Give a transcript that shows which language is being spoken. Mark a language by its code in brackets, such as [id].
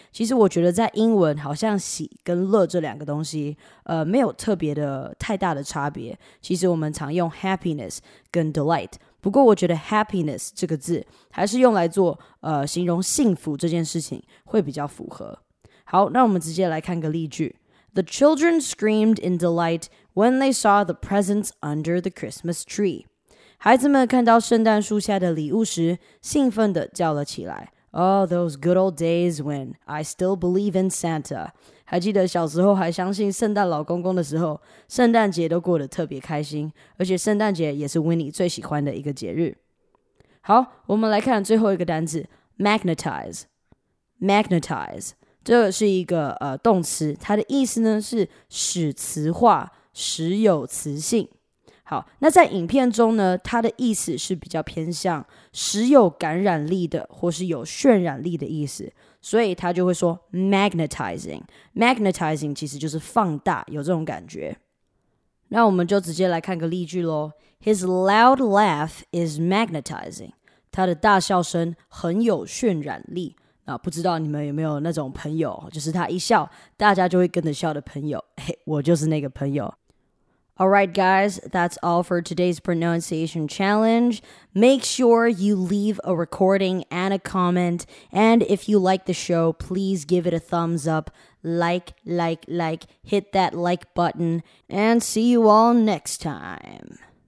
[zh] 其实我觉得在英文好像喜跟乐这两个东西没有特别的太大的差别，其实我们常用 happiness 跟 delight， 不过我觉得 happiness 这个字还是用来做形容幸福这件事情会比较符合。好，那我们直接来看个例句。 [en] The children screamed in delight when they saw the presents under the Christmas tree。 [zh] 孩子们看到圣诞树下的礼物时，兴奋地叫了起来。 [en] Oh, those good old days when I still believe in Santa. [zh] 还记得小时候还相信圣诞老公公的时候，圣诞节都过得特别开心，而且圣诞节也是 Winnie 最喜欢的一个节日。好，我们来看最后一个单字 ,magnetize。 magnetize, 这是一个动词，它的意思呢是使磁化，使有磁性。好，那在影片中呢，它的意思是比较偏向时有感染力的或是有渲染力的意思，所以它就会说 magnetizing。 magnetizing 其实就是放大，有这种感觉。那我们就直接来看个例句咯。 [en] His loud laugh is magnetizing. [zh] 他的大笑声很有渲染力。那不知道你们有没有那种朋友，就是他一笑大家就会跟着笑的朋友。嘿，我就是那个朋友。 [en] Alright guys, that's all for today's pronunciation challenge. Make sure you leave a recording and a comment. And if you like the show, please give it a thumbs up. Like, hit that like button. And see you all next time.